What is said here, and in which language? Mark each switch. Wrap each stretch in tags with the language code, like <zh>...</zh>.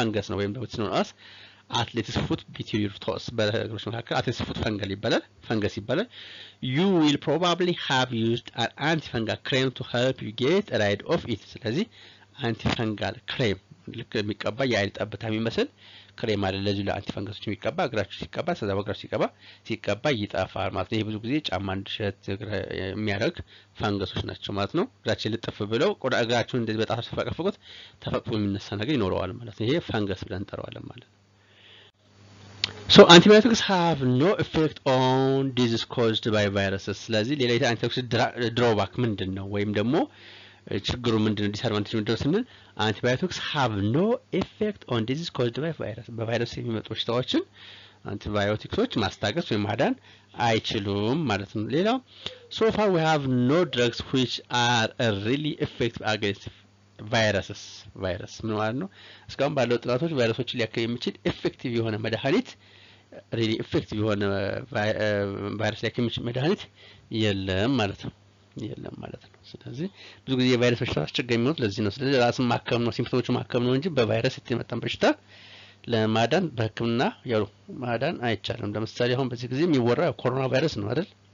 <am>ፈንገስ ነው ወይም ደግሞ ስኖስ</am> <en>athlete's foot between your toes</en> <am>በእግራችን መካከል</am> <en>athlete's foot</en> <am>ፈንገስ ይባላል።</am> <en>You will probably have used an antifungal cream to help you get rid of it.</en> <am>ስለዚህ antifungal cream ልክ የሚቀባ የአይል ጠብታ የሚመስል ክሬም አለ ለዚህ ለአንቲፈንገሶች የሚቀባ እግራችሁ ሲቀባ ስለዛ በእግራችሁ ሲቀባ ይጣፋል ማለት ነው። ይሄ ብዙ ጊዜ ጫማ እንድሸት የሚያደርግ ፈንገሶች ናቸው ማለት ነው። እግራችሁ ልጥፍ ብለው ቆዳ እግራችሁ እንደዚህ በጣፋ ተፈቀፈቁት ተፈቅፎ የሚነሳ ነገር ይኖረዋል ማለት ነው። ይሄ ፈንገስ ብለን ጠራዋለን ማለት ነው።</am> <en>So antibiotics have no effect on diseases caused by viruses.</en> <am>ስለዚህ ሌላ የአንቲባዮቲክስ ድሮባክ ምንድነው ወይም ደግሞ ችግሩ ምንድነው? ዲስአድቫንቴጅ ምንድነው ስንል</am> <en>antibiotics have no effect on diseases caused by virus.</en> <am>በቫይረስ የሚመጡ በሽታዎችን አንቲባዮቲክሶች ማስታገስ ወይም ማዳን አይችሉም ማለት ነው። ሌላ</am> <en>so far we have no drugs which are really effective against viruses.</en> <am>virus ምን ማለት ነው? እስካሁን ባለው ጥናቶች ቫይረሶችን ሊያከም የሚችል effective የሆነ መድኃኒት really effective የሆነ ቫይረስ ሊያከም የሚችል መድኃኒት የለም ማለት ነው። ስለዚህ ብዙ ጊዜ የቫይረስ በሽታ አስቸጋሪ የሚሆነው ለዚህ ነው። ስለዚህ ራስን ማከም ነው፣ ሲምፕቶሞችን ማከም ነው እንጂ በቫይረስ የተመጣን በሽታ ለማዳን በህክምና ያው ማዳን አይቻልም። ለምሳሌ አሁን በዚህ ጊዜ የሚወራው ኮሮና ቫይረስ ነው አይደል?</am>